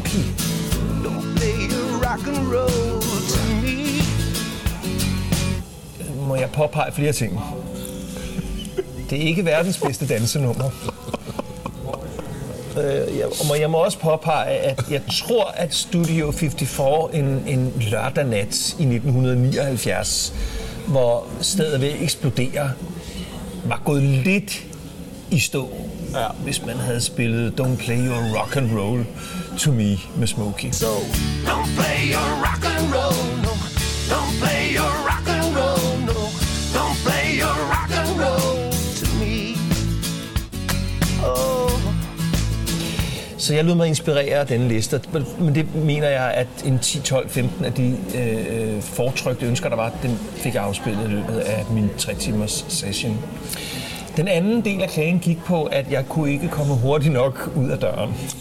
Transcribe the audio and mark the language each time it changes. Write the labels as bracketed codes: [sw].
[en] Don't play your rock and roll to me. [da] Må jeg påpege flere ting? Det er ikke verdens bedste dansenummer. Jeg må også påpege, at jeg tror, at Studio 54 en lørdag nat i 1979... hvor stedet ved at eksplodere, var gået lidt i stå, ja, hvis man havde spillet Don't Play Your Rock and Roll to Me med Smokey. [en] So, don't play your rock and roll, no. Don't play your rock and roll, no. Don't play your rock and roll to me. Oh. [da] Så jeg lod mig inspirere af denne liste, men det mener jeg, at en 10, 12, 15 af de foretrykte ønsker, der var, den fik jeg afspillet i løbet af min 3-timers session. Den anden del af klagen gik på, at jeg kunne ikke komme hurtigt nok ud af døren.